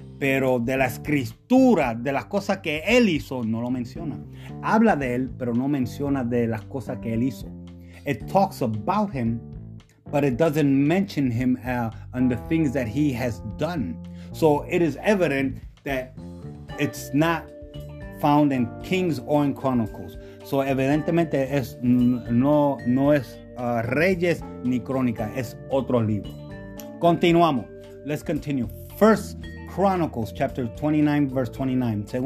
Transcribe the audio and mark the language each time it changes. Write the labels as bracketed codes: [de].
[es] Pero de la escritura, de las cosas que él hizo, no lo menciona. Habla de él, pero no menciona de las cosas que él hizo. [en] It talks about him, but it doesn't mention him and the things that he has done. So it is evident that it's not found in Kings or in Chronicles. [es] So evidentemente es no es Reyes ni Crónica, es otro libro. Continuamos. [en] Let's continue. First Chronicles chapter 29 verse 29.